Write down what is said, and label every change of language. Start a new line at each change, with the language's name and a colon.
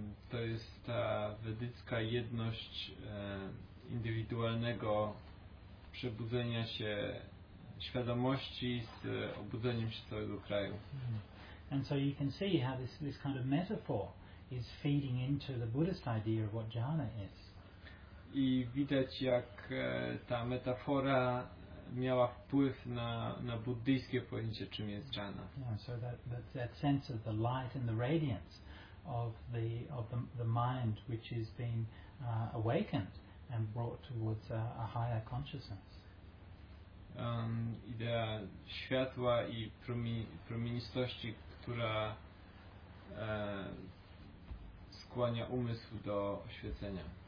Polish: To jest ta wedycka jedność indywidualnego przebudzenia się świadomości z obudzeniem się całego kraju.
English: And so you can see how this kind of metaphor is feeding into the Buddhist idea of what jhana is.
Polish: I widać, jak ta metafora miała wpływ na buddyjskie pojęcie, czym jest jhana.
English: Yeah, so that sense of the light and the radiance of the mind which is being awakened and brought towards a higher consciousness.
Polish: Idea światła i promienistości, która skłania umysł do oświecenia.